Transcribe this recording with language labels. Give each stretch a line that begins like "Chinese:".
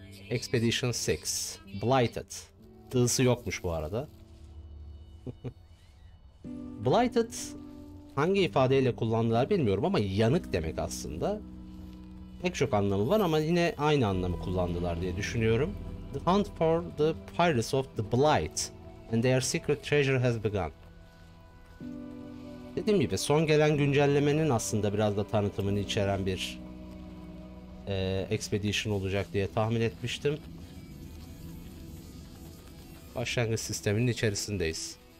Turkish: Expedition 6, Blighted. Tığısı yokmuş bu arada. Blighted hangi ifadeyle kullandılar bilmiyorum ama yanık demek aslında. Pek çok anlamı var ama yine aynı anlamı kullandılar diye düşünüyorum.
English: The hunt for the Pirates of the Blight and their secret treasure has begun.
Turkish: Dediğim gibi son gelen güncellemenin aslında biraz da tanıtımını içeren bir expedition olacak diye tahmin etmiştim. Başlangıç sisteminin içerisindeyiz.